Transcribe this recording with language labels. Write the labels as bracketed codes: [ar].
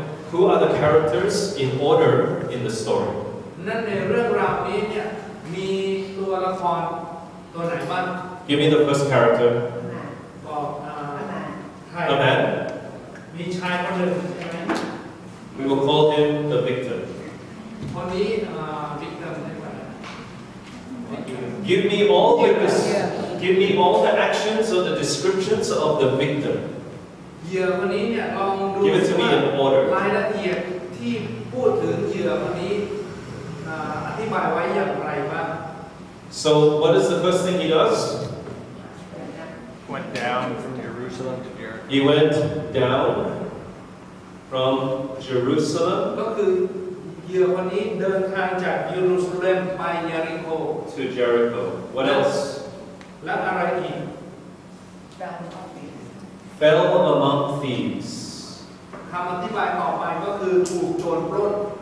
[en] Who are the characters in order in the story? [th] นั่นในเรื่องราวนี้เนี่ยมีตัวละครตัวไหนบ้าง [en] Give me the first character [th] ก็ ใช่ [en] A man [th] มีชายคนหนึ่งใช่ไหม [en] We will call him the victim [th] คนนี้ victim ได้ไหม [en] Give me all the give me all the actions or the descriptions of the victim [th] เหยื่อคนนี้เนี่ยลองดู [en] Give it to me in order [th] รายละเอียดที่พูดถึงเหยื่อคนนี้อธิบายไว้อย่างไรบ้าง [en] So what is the first thing he does? Went down from Jerusalem to Jericho. He went down from Jerusalem. [th] ก็คือเหยื่อคนนี้เดินทางจากเยรูซาเล็มไปเยริโค [en] To Jericho. What else? [th] และอะไรอีก [en] Fell among thieves. [th] คำอธิบายต่อไปก็คือถูกโจรปล้น